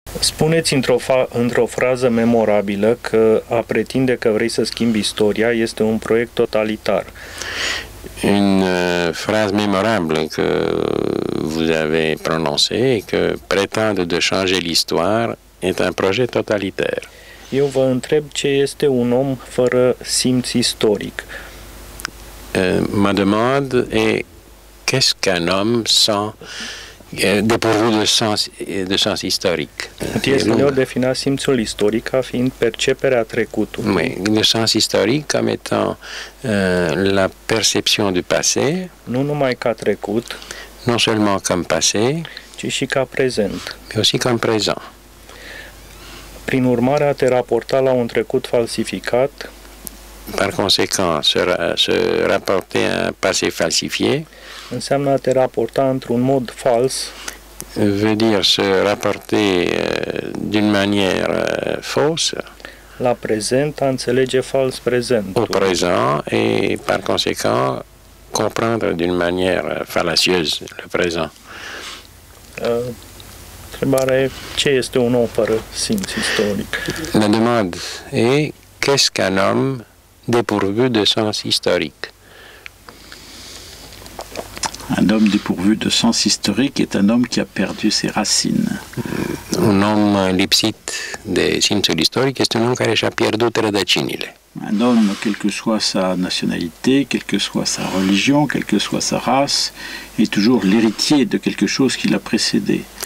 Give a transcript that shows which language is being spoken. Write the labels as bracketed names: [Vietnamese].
[Romanian] Spuneți într-o frază memorabilă că a pretinde că vrei să schimbi istoria este un proiect totalitar. [French] Une phrase mémorable que vous avez prononcée, que prétendre de changer l'histoire est un projet totalitaire. [Romanian] Eu vă întreb ce este un om fără simț istoric. [French] Ma demande est qu'est-ce qu'un homme sans dépourvu de sens historique. [Romanian] Este bine defina simțul istoric ca fiind perceperea trecutului. [French] Oui, le sens historique comme étant la perception du passé. [Romanian] Nu numai ca trecut, [French] non seulement comme passé, [Romanian] ci și ca prezent. [French] Mais aussi comme présent. [Romanian] Prin urmare, a te raporta la un trecut falsificat. [French] Par conséquent, se rapporter à un passé falsifié. [Romanian] Înseamnă a te raporta într-un mod fals. [French] Veut dire se rapporter d'une manière fausse. [Romanian] La prezent, a înțelege fals prezentul. [French] Au présent et par conséquent comprendre d'une manière fallacieuse le présent. [Romanian] Întrebarea e, ce este un om fără simț istoric? [French] La demande est qu'est-ce qu'un homme dépourvu de sens historique? Un homme dépourvu de sens historique est un homme qui a perdu ses racines. Un homme [Romanian] lipsit de simțul istoric este un om care și-a pierdut rădăcinile. [French] Un homme, quelle que soit sa nationalité, quelle que soit sa religion, quelle que soit sa race, est toujours l'héritier de quelque chose qui l'a précédé.